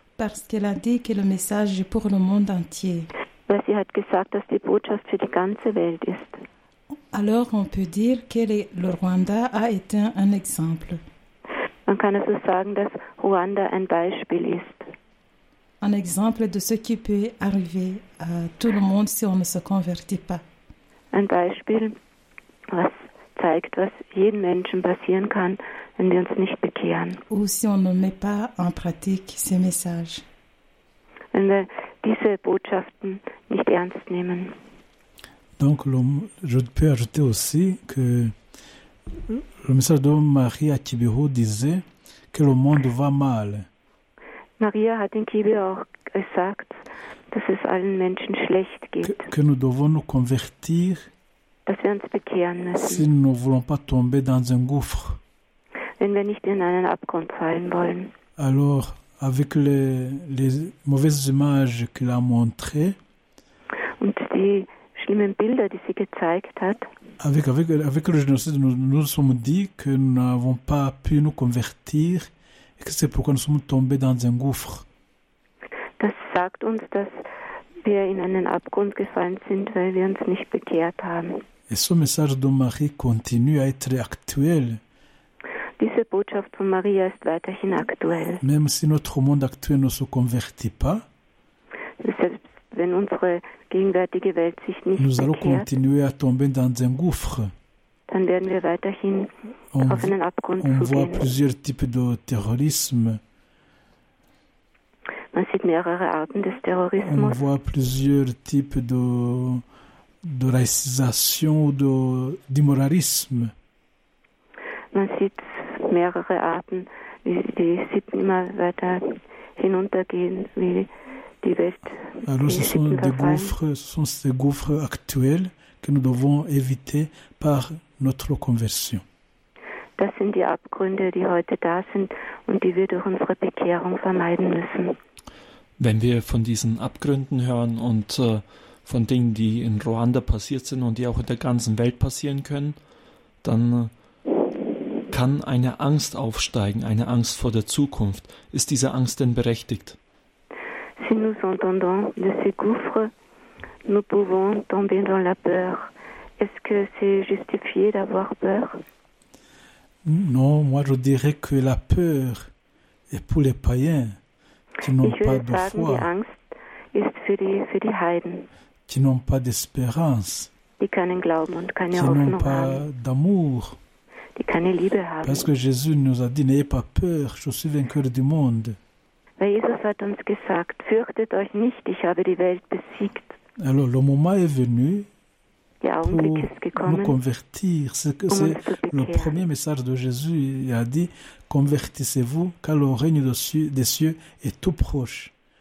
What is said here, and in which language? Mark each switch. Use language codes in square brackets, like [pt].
[fr] Parce qu'elle a dit que le message est pour le monde entier. [de] Weil sie hat gesagt, dass die Botschaft für die ganze Welt ist. [fr] Alors on peut dire que le Rwanda a été un exemple. [de] Man kann also sagen, dass Ruanda ein Beispiel ist. [fr] Un exemple de ce qui peut arriver à tout le monde si on ne se convertit pas. [de] Un Beispiel, was zeigt, was jeden Menschen passieren kann, wenn wir uns nicht bekehren. [fr] Ou si on ne met pas en pratique ces messages. [de] Wenn wir diese Botschaften nicht ernst nehmen. [fr] Donc, je peux ajouter aussi que le message de Marie à Kibeho disait que le monde va mal. [de] Maria hat in Kibeho auch gesagt, dass es allen Menschen schlecht geht. [fr] Que nous devons nous convertir, [de] dass wir uns bekehren müssen. [fr] Si nous ne voulons pas tomber dans un gouffre. [de] Wenn wir nicht in einen Abgrund fallen wollen. [fr] Alors, avec les mauvaises images qu'il a montrées, [de] und die schlimmen Bilder, die sie gezeigt hat, [fr] avec le génocide, nous sommes dit que nous n'avons pas pu nous convertir. C'est pourquoi nous sommes tombés dans un gouffre. [de] Das sagt uns, dass wir in einen Abgrund gefallen sind, weil wir uns nicht bekehrt haben. [fr] Et ce message de Marie continue à être actuel. [de] Diese Botschaft von Maria ist weiterhin aktuell. [fr] Même si notre monde actuel ne se convertit pas, [de] selbst wenn unsere gegenwärtige Welt sich nicht [fr] nous [de] bekehrt, [fr] allons continuer à tomber dans un gouffre. [de] Dann werden wir weiterhin [fr] on, [de] auf einen Abgrund [fr] on voit [de] gehen. [fr] Plusieurs types de terrorisme. [de] Man sieht mehrere Arten des Terrorismus. [fr] On voit plusieurs types de racisation ou d'immoralisme. [de] Man sieht mehrere Arten, wie die Sitten immer weiter hinuntergehen, wie die Welt. [fr] Alors ce sont des gouffres, ce sont ces gouffres actuels que nous devons éviter par notre conversion. [de] Das sind die Abgründe, die heute da sind und die wir durch unsere Bekehrung vermeiden müssen. Wenn wir von diesen Abgründen hören und von Dingen, die in Ruanda passiert sind und die auch in der ganzen Welt passieren können, dann kann eine Angst aufsteigen, eine Angst vor der Zukunft. Ist diese Angst denn berechtigt? [fr] Si nous entendons de ces gouffres, nous pouvons tomber dans la peur. Est-ce que c'est justifié d'avoir peur? Non, moi je dirais que la peur est pour les païens qui n'ont pas de foi. [de] Die Angst ist für die Heiden. [fr] Qui n'ont pas d'espérance. [de] Die keinen Glauben und keine Hoffnung haben. [fr] Qui n'ont pas d'amour. [de] Die keine Liebe haben. [fr] Parce que Jésus nous a dit, n'ayez pas peur, je suis vainqueur du monde. [de] Weil Jesus hat uns gesagt, fürchtet euch nicht, ich habe die Welt besiegt. [fr] Alors, le moment est venu. Pour nous convertir, c'est le premier message de Jésus. Il a dit, convertissez-vous, car le règne des cieux est tout proche.